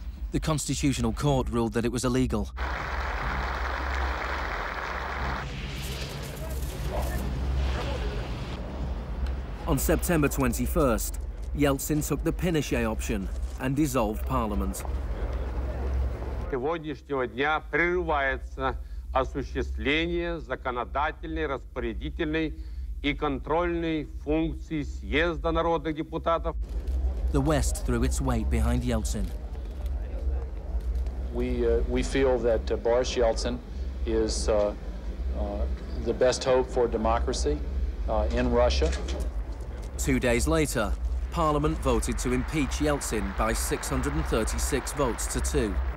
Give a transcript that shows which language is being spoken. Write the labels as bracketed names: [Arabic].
[English] The Constitutional Court ruled that it was illegal. On September 21st, Yeltsin took the Pinochet option and dissolved Parliament. [Russian] Сегодняшнего дня прерывается осуществление законодательной, распорядительной и контрольной функции съезда народных депутатов. [English] The West threw its weight behind Yeltsin. We feel that Boris Yeltsin is the best hope for democracy in Russia. 2 days later, Parliament voted to impeach Yeltsin by 636 votes to 2.